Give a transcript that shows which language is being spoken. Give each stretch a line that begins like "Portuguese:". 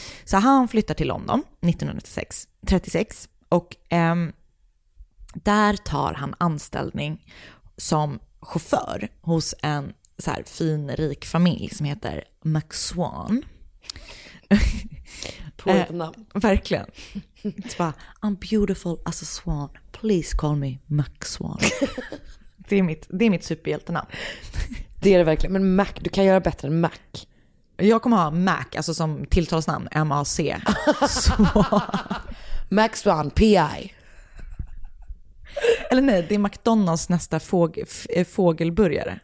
Swedish: Så han flyttar till London 1936, och där tar han anställning som chaufför hos en så här fin rik familj som heter McSwan. På ett namn. Verkligen. Så bara,
English: I'm beautiful as a swan. Please call me McSwan.
Swedish: Det är mitt superhjältenamn. Det är det verkligen. Men Mac, du kan göra bättre än Mac. Jag kommer ha Mac, alltså som tilltalsnamn, M-A-C. Max Swan, P-I. Eller nej, det är McDonalds nästa fågelburgare.